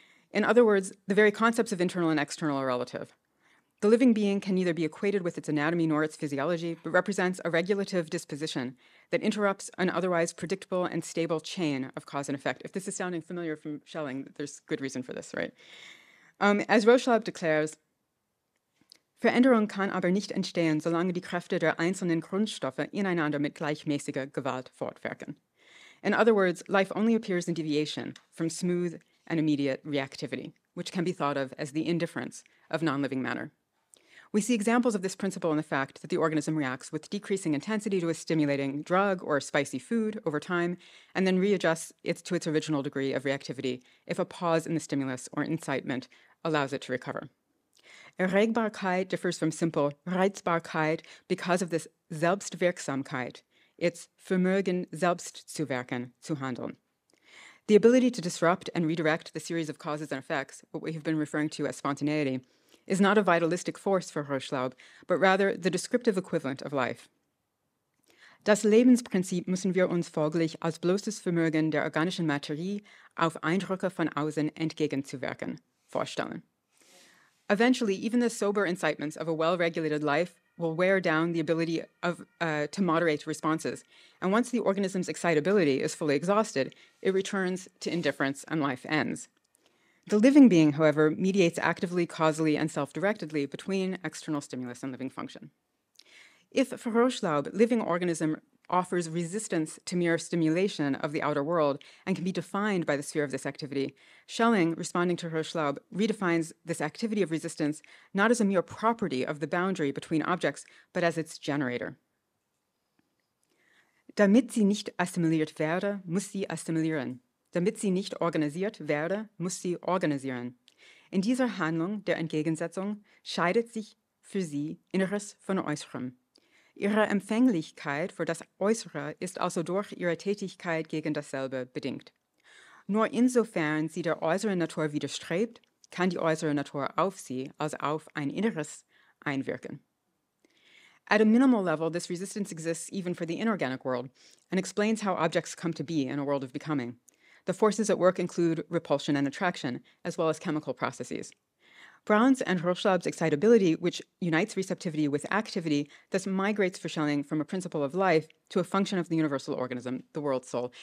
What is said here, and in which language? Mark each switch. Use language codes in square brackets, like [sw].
[en] In other words, the very concepts of internal and external are relative. The living being can neither be equated with its anatomy nor its physiology, but represents a regulative disposition that interrupts an otherwise predictable and stable chain of cause and effect. If this is sounding familiar from Schelling, there's good reason for this, right? As Rochlaub declares, [de] Veränderung kann aber nicht entstehen, solange die Kräfte der einzelnen Grundstoffe ineinander mit gleichmäßiger Gewalt fortwirken. [en] In other words, life only appears in deviation from smooth and immediate reactivity, which can be thought of as the indifference of non-living matter. We see examples of this principle in the fact that the organism reacts with decreasing intensity to a stimulating drug or spicy food over time, and then readjusts it to its original degree of reactivity if a pause in the stimulus or incitement allows it to recover. Erregbarkeit differs from simple Reizbarkeit because of this Selbstwirksamkeit, its [de] Vermögen selbst zu wirken, zu handeln. [en] The ability to disrupt and redirect the series of causes and effects, what we have been referring to as spontaneity, is not a vitalistic force for Rochlaub, but rather the descriptive equivalent of life. [de] Das Lebensprinzip müssen wir uns folglich als bloßes Vermögen der organischen Materie auf Eindrücke von außen entgegenzuwirken vorstellen. [en] Eventually, even the sober incitements of a well-regulated life will wear down the ability of to moderate responses. And once the organism's excitability is fully exhausted, it returns to indifference and life ends. The living being, however, mediates actively, causally, and self-directedly between external stimulus and living function. If, for Rochlaub, living organism offers resistance to mere stimulation of the outer world and can be defined by the sphere of this activity, Schelling, responding to Rochlaub, redefines this activity of resistance not as a mere property of the boundary between objects, but as its generator. [de] Damit sie nicht assimiliert werde, muss sie assimilieren. Damit sie nicht organisiert werde, muss sie organisieren. In dieser Handlung der Entgegensetzung scheidet sich für sie Inneres von Äußerem. Ihre Empfänglichkeit für das Äußere ist also durch ihre Tätigkeit gegen dasselbe bedingt. Nur insofern sie der äußeren Natur widerstrebt, kann die äußere Natur auf sie, also auf ein Inneres, einwirken. [en] At a minimal level, this resistance exists even for the inorganic world and explains how objects come to be in a world of becoming. The forces at work include repulsion and attraction, as well as chemical processes. Brown's and Hirschlaub's excitability, which unites receptivity with activity, thus migrates for Schelling from a principle of life to a function of the universal organism, the world soul.